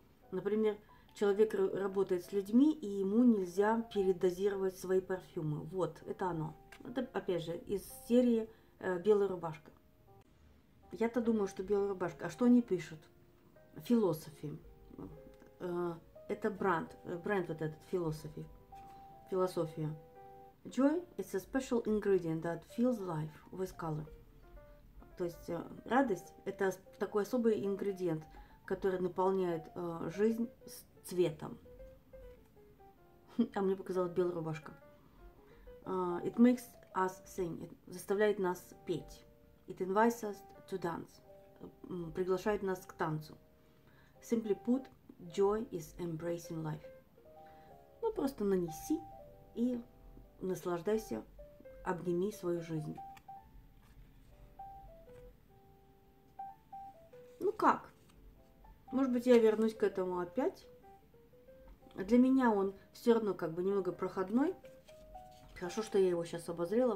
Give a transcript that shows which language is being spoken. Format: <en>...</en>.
<ru>Например, человек работает с людьми, и ему нельзя передозировать свои парфюмы. Вот, это оно. Это, опять же, из серии «Белая рубашка». Я-то думаю, что «Белая рубашка». А что они пишут? Философи. Это бренд. Бренд вот этот, философи. Философия.</ru> <en>Joy – it's a special ingredient that fills life with color.</en> <ru>То есть радость – это такой особый ингредиент, который наполняет жизнь с цветом. А мне показалась белая рубашка.</ru> <en>It makes us sing. It</en> <ru>заставляет нас петь.</ru> <en>It invites us to dance.</en> <ru>Приглашает нас к танцу.</ru> <en>Simply put, joy is embracing life.</en> <ru>Ну, просто нанеси и наслаждайся, обними свою жизнь. Ну как? Может быть, я вернусь к этому опять. Для меня он все равно как бы немного проходной. Хорошо, что я его сейчас обозрела.</ru>